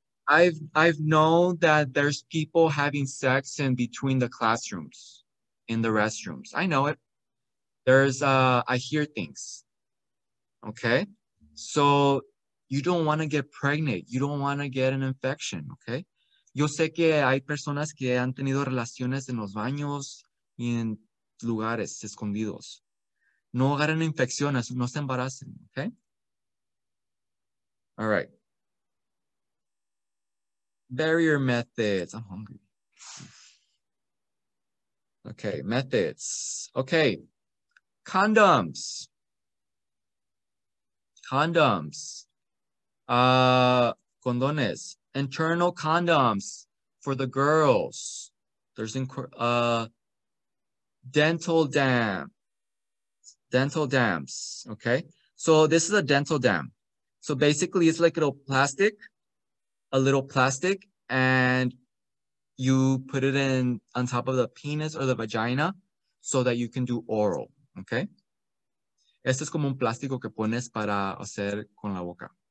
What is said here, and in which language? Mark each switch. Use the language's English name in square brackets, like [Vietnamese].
[English] I've known that there's people having sex in between the classrooms, in the restrooms. I know it. I hear things. Okay, so you don't want to get pregnant. You don't want to get an infection. Okay. [Spanish] Yo sé que hay personas que han tenido relaciones en los baños y en lugares escondidos. No agarren infecciones, no se embaracen, okay? [English] All right. Barrier methods. I'm hungry. Okay, methods. Okay. Condoms. Condoms. Condones. Internal condoms for the girls. There's dental dams. Okay. So this is a dental dam. So basically it's like a little plastic and you put it in on top of the penis or the vagina so that you can do oral. Okay. [Spanish] Este es como un plástico que pones para hacer con la boca.